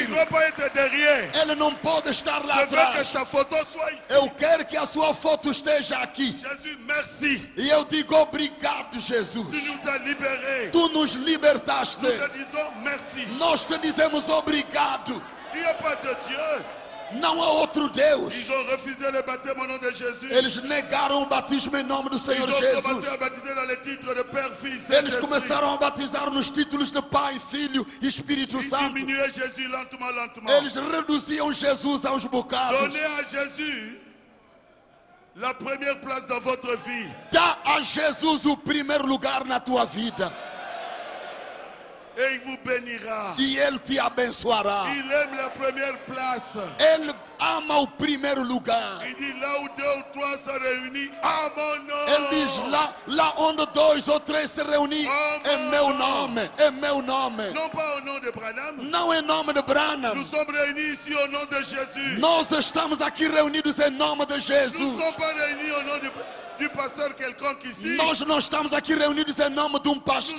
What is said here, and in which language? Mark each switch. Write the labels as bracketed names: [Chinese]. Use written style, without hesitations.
[French] Il ne peut pas être derrière. Elle ne peut [Portuguese] estar [French] là. Je veux que sa photo soit ici. [Portuguese] Eu quero que a sua foto esteja aqui. [French] Jésus, merci. [Portuguese] E eu digo obrigado, Jesus. [French] Tu nous as libérés. [Portuguese] Tu nous libertaste. [French] Nous te disons merci. [Portuguese] Nós te dizemos obrigado. [French] Il n'y a pas de Dieu. [Portuguese] Não há outro Deus. [French] Ils ont refusé le baptême au nom de Jésus. [Portuguese] Eles negaram o batismo em nome do Senhor Jesus. [French] Ils ont commencé à baptiser dans les titres de Père, Fils, Saint-Esprit. [Portuguese] Eles começaram a batizar nos títulos de Pai, Filho e Espírito Santo. [French] Ils diminuaient Jésus lentement, lentement. [Portuguese] Eles reduziam Jesus aos bocados. [French] Donnez à Jésus la première place dans votre vie. [Portuguese] Dá a Jesus o primeiro lugar na tua vida. [French] Et il vous bénira. [Portuguese] E ele te abençoará. [French] Il aime la première place. [Portuguese] Ele ama o primeiro lugar. [French] Il dit là où deux ou trois se réunissent, à mon nom. [Portuguese] Ele diz lá onde dois ou três [French] se réunissent, [Portuguese] é meu nome. Não pas au nom de Branham. Não em nome de Branham. [French] Nous sommes réunis ici au nom de Jésus. [Portuguese] Nós estamos aqui reunidos em nome de Jesus. [French] Nous sommes pas réunis au nom de du pasteur quelconque ici. [Portuguese] Nós não estamos aqui reunidos em nome de pastor.